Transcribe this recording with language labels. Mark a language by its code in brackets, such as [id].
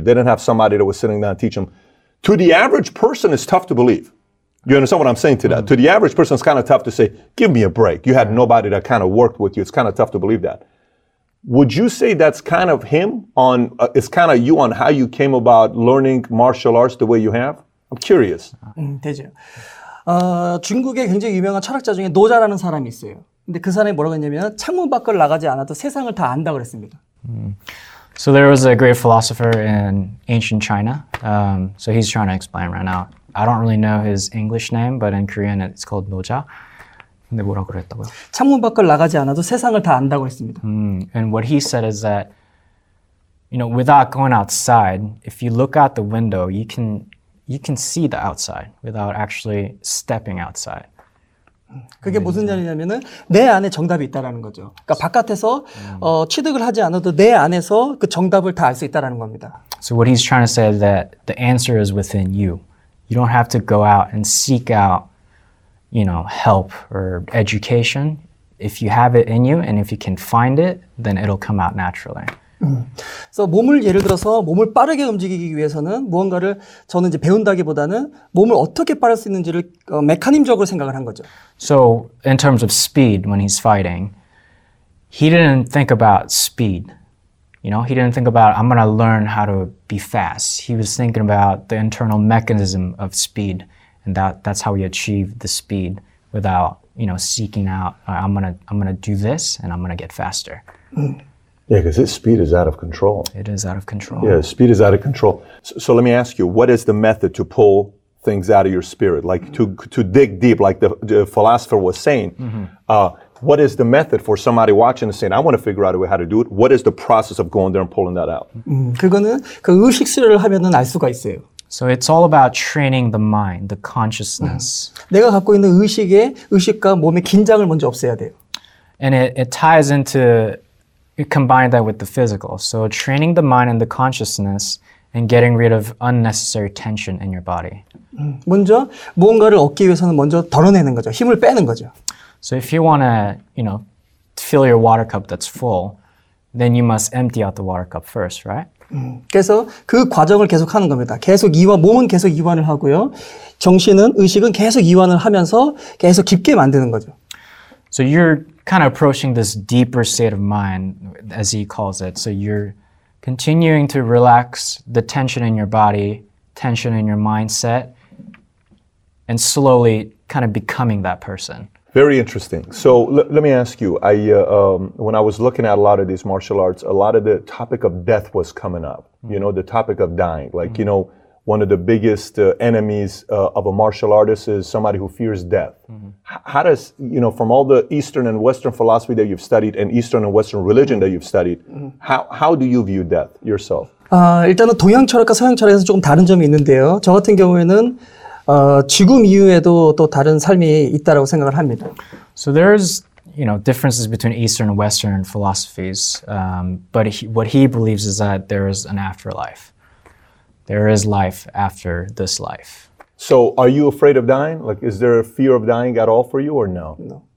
[en] They didn't have somebody that was sitting down and teaching them. To the average person, it's tough to believe. You understand what I'm saying to that? Mm-hmm. To the average person, it's kind of tough to say, give me a break. You had nobody that kind of worked with you. It's kind of tough to believe that. Would you say that's kind of him on, it's kind of you on how you came about learning martial arts the way you have? I'm curious. [ko] 되죠. 중국의 굉장히 유명한 철학자 중에 노자라는 사람이 있어요. 근데 그 사람이 뭐라고 했냐면 창문 밖을 나가지 않아도 세상을 다 안다고 그랬습니다. [en] So there was a great philosopher in ancient China. So he's trying to explain right now. I don't really know his English name, but in Korean it's called 노자. [ko] 근데 뭐라고 그랬다고요? 창문 밖을 나가지 않아도 세상을 다 안다고 했습니다. [en] And what he said is that, you know, without going outside, if you look out the window, you can see the outside without actually stepping outside. [ko] 그게 무슨 말이냐면은 내 안에 정답이 있다라는 거죠. 그러니까 바깥에서 취득을 하지 않아도 내 안에서 그 정답을 다 알 수 있다라는 겁니다. [en] So what he's trying to say is that the answer is within you. You don't have to go out and seek out, you know, help or education. If you have it in you and if you can find it, then it'll come out naturally. So [ko] 몸을 예를 들어서 몸을 빠르게 움직이기 위해서는 무언가를 저는 이제 배운다기보다는 몸을 어떻게 빠를 수 있는지를 메커니즘적으로 생각을 한 거죠. [en] So in terms of speed when he's fighting, he didn't think about speed. You know, he didn't think about, I'm going to learn how to be fast. He was thinking about the internal mechanism of speed, and that's how he achieved the speed without, you know, seeking out, I'm going to do this, and I'm going to get faster. Yeah, because his speed is out of control. It is out of control. Yeah, speed is out of control. So let me ask you, what is the method to pull things out of your spirit, like to dig deep, like the philosopher was saying? What is the method for somebody watching and saying, I want to figure out a way how to do it? What is the process of going there and pulling that out? [ko] 그거는 그 의식 수련을 하면은 알 수가 있어요. [en] So it's all about training the mind, the consciousness. [ko] 내가 갖고 있는 의식에 의식과 몸의 긴장을 먼저 없애야 돼요. [en] And it ties into, it combined that with the physical. So training the mind and the consciousness and getting rid of unnecessary tension in your body. [ko] 먼저 무언가를 얻기 위해서는 먼저 덜어내는 거죠. 힘을 빼는 거죠. [en] So if you want to, you know, fill your water cup that's full, then you must empty out the water cup first, right? [ko] 그래서 그 과정을 계속 하는 겁니다. 계속 이완, 몸은 계속 이완을 하고요. 정신은, 의식은 계속 이완을 하면서 계속 깊게 만드는 거죠. [en] So you're kind of approaching this deeper state of mind, as he calls it. So you're continuing to relax the tension in your body, tension in your mindset, and slowly kind of becoming that person. Very interesting. So let me ask you, when I was looking at a lot of these martial arts, a lot of the topic of death was coming up, you know, the topic of dying. Like, you know, one of the biggest enemies of a martial artist is somebody who fears death. How does, you know, from all the Eastern and Western philosophy that you've studied and Eastern and Western religion that you've studied, how do you view death yourself? [ko] 일단은 동양 철학과 서양 철학에서 조금 다른 점이 있는데요. 저 같은 경우에는 지금 이후에도 또 다른 삶이 있다라고 생각을 합니다. [en] So there's, you know, differences between Eastern and Western philosophies, but what he believes is that there is an afterlife. There is life after this life. So are you afraid of dying? Like, is there a fear of dying at all for you or no? No.